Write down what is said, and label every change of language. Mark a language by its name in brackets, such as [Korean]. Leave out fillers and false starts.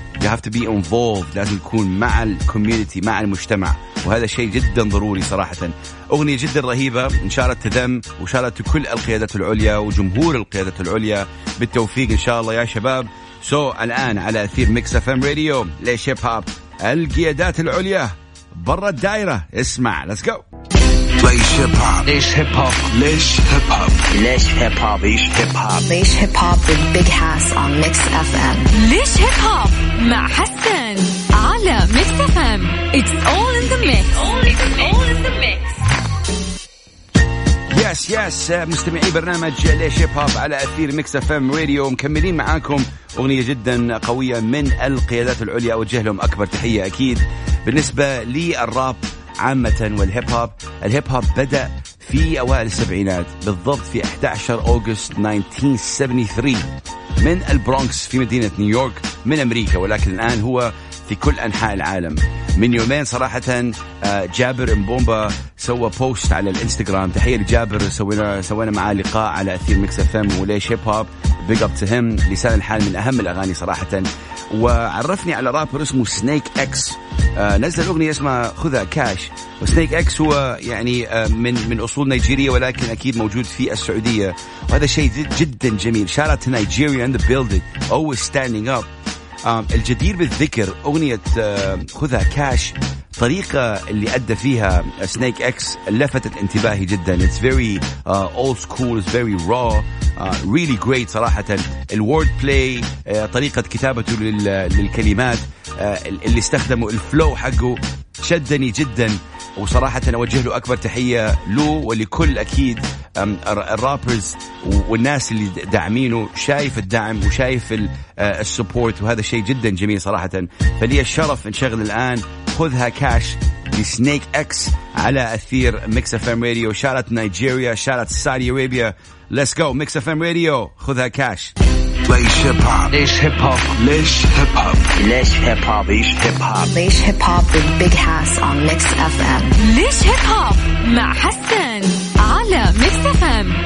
[English] You have to be involved, [Arabic] لازم تكون مع الكوميونتي, مع المجتمع, وهذا شيء جدا ضروري صراحة. أغنية جدا رهيبة, إن شاء الله تدم, وإن شاء الله كل القيادة العليا وجمهور القيادة العليا بالتوفيق إن شاء الله يا شباب. So الآن على أثير Mix FM Radio, ليش هيب هوب, القيادات العليا برا الدائرة. [English] اسمع, let's go. Laish Hip Hop. Laish Hip Hop. Laish Hip Hop. Laish Hip Hop. Laish Hip Hop. Laish Hip Hop with Big Hoss on Mix FM. [Arabic] Laish Hip Hop مع حسن على Mix FM. [English] It's all in the mix. [Arabic] Yes, yes, مستمعي برنامج ليش هيب هوب على أثير ميكس اف ام راديو, مكملين معاكم أغنية جدا قوية من القيادات العليا, أوجه لهم أكبر تحية أكيد. بالنسبة للراب عامة والهيب هوب, الهيب هوب بدأ في أوائل السبعينات, بالضبط في 11 أغسطس 1973, من البرونكس في مدينة نيويورك من أمريكا, ولكن الآن هو في كل أنحاء العالم. من يومين صراحة جابر مبومبا سوى بوست على الانستغرام, تحية لجابر, سوينا معاه لقاء على أثير ميكس اف ام وليش هيب هوب, [English] Big up to him. [Arabic] لسان الحال من أهم الأغاني صراحة. وعرفني على رابر اسمه سنيك اكس, نزل أغنية اسمها خذها كاش. وسنيك اكس هو يعني من أصول نيجيرية, ولكن أكيد موجود في السعودية, وهذا شيء جدا جميل. [English] شارة Nigeria in the building, always standing up. [Arabic] الجدير بالذكر أغنية خذها كاش, طريقة اللي أدى فيها سنيك اكس لفتت انتباهي جدا. [English] It's very old school, it's very raw, really great صراحة. [Arabic] الورد بلاي, طريقة كتابته للكلمات اللي استخدمه, الفلو حقه شدني جدا, وصراحة أوجه له أكبر تحية له ولكل أكيد الرابرز والناس اللي داعمينه. شايف الدعم وشايف السبورت, وهذا شيء جدا جميل صراحة. فلي الشرف نشغل الآن خذها كاش لسنيك اكس على أثير ميكس اف ام راديو. شارت نيجيريا, شارت سعودي عربيا, [English] let's go. [Arabic] ميكس اف ام راديو, خذها كاش. ليش هيب هوب ليش هيب هوب ليش هيب هوب ليش هيب هوب ليش هيب هوب [English] ليش hip hop with Big Hass on Mix FM. [Arabic] ليش هيب هوب مع حسن على Mix FM.